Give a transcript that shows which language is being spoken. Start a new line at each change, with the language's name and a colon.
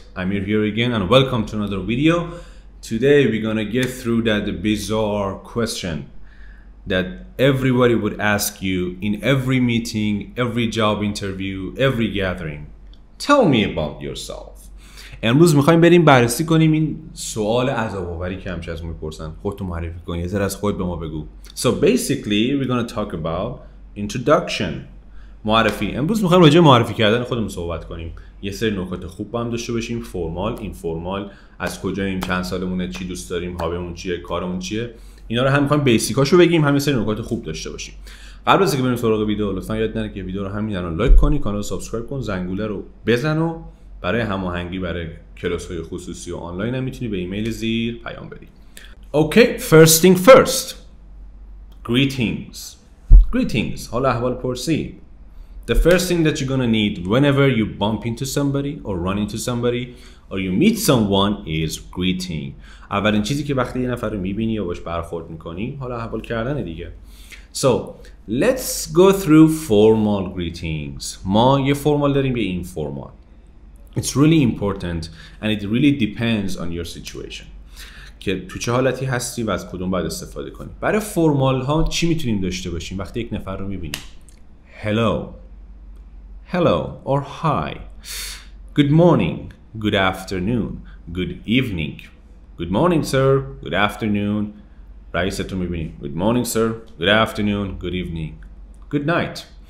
English: Amir here again, and welcome to another video. Today, we're gonna get through that bizarre question that everybody would ask you in every meeting, every job interview, every gathering. Tell me about yourself.
Persian: امروز میخوایم بریم بررسی کنیم این سوال عذاب‌آوری که همیشه از ما میپرسن. خودتو معرفی کن، یه ذره از خودت به ما بگو.
English: So basically, we're gonna talk about introduction. معرفی.
Persian: امروز میخوایم راجع به معرفی کردن خودمون صحبت کنیم. یه سری نکات خوب با هم داشته باشیم. فرمال، اینفورمال، از کجاییم، چند سالمونه، چی دوست داریم، هابیمون چیه، کارمون چیه. اینا رو هم می‌خوایم بیسیکاشو بگیم، هم یه سری نکات خوب داشته باشیم. قبل از اینکه بریم سراغ ویدیو، لطفاً یاد نره که ویدیو رو همین الان لایک کنی، کانال رو سابسکرایب کن، زنگوله رو بزن و برای هماهنگی برای کلاس‌های خصوصی و آنلاین هم می‌تونی به ایمیل زیر پیام بدی.
English: Okay, first thing first. Greetings.
Persian: حال احوال پرسی.
English: The first thing that you're going to need whenever you bump into somebody or run into somebody or you meet someone is greeting.
Persian: اولین چیزی که وقتی یه نفر رو می‌بینی یا باش برخورد می‌کنی، حالا احوال کردن دیگه.
English: So, let's go through formal greetings.
Persian: ما یه فرمال داریم یه اینفورمال.
English: It's really important and it really depends on your situation.
Persian: که تو چه حالتی هستی و از کدوم باید استفاده کنی. برای فرمال ها چی میتونیم داشته باشیم وقتی یک نفر رو می‌بینی؟
English: Hello or hi. Good morning. Good afternoon. Good evening. Good morning, sir. Good afternoon.
Persian: رئیستون میبینی.
English: Good morning, sir. Good afternoon. Good evening. Good night.